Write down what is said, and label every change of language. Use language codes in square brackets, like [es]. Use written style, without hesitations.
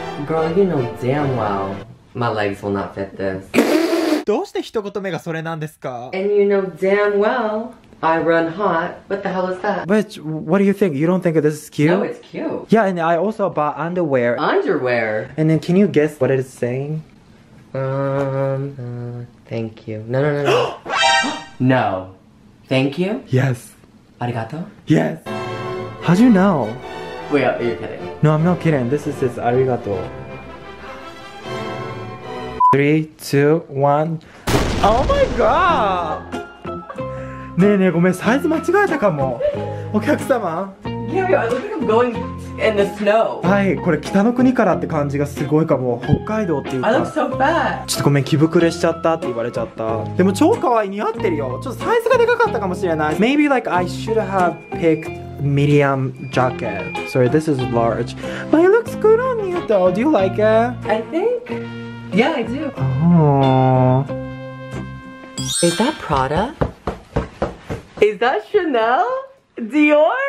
[en] girl, you know damn well my legs will not fit this. [ja] どうして一言目がそれなんですか? [en] And you know damn well I run hot. What the hell is that? Which, what do you think? You don't think this is cute? No, it's cute. Yeah, and I also bought underwear. Underwear? And then can you guess what it is saying? Thank you. No. No. Thank you? Yes. Arigato? Yes. How do you know? Wait, are you kidding? No, I'm not kidding. This is his arigato. 3, 2, 1. Oh my god! [ja] ねえねえ、ごめん、サイズ間違えたかも。お客様。はい、これ北の国からって感じがすごいかも。北海道っていうか。 [en] I look so bad. [ja] ちょっとごめん、着膨れしちゃったって言われちゃった。でも超可愛い、似合ってるよ。ちょっとサイズがでかかったかもしれない。 [en] Maybe like I should have picked medium jacket. Sorry, this is large. But it looks good on you though. Do you like it? I think. Yeah, I do. Oh. Is that Prada? Is that Chanel? Dior?